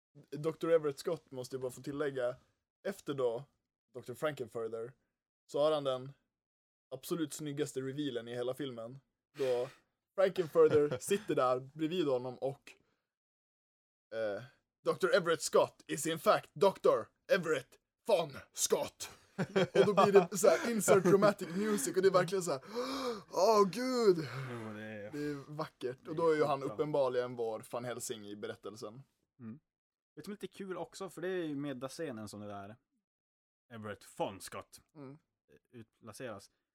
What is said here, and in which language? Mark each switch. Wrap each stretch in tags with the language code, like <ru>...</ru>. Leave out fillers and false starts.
<sv>Dr. Everett Scott måste ju bara få tillägga, efter då Dr. Frankenfurter, så har han den absolut snyggaste revealen i hela filmen. Då Frankenfurter sitter där bredvid honom och Dr.</sv> <en>Everett Scott is in fact Dr. Everett von Scott.</en> <sv>Och då blir det så här insert dramatic music, och det är verkligen så här, åh gud! Det är vackert. Och då är ju han uppenbarligen vår Van Helsing i berättelsen. Mm. Det är lite kul också, för det är ju med scenen som det där Everett von Scott utplaceras.</sv>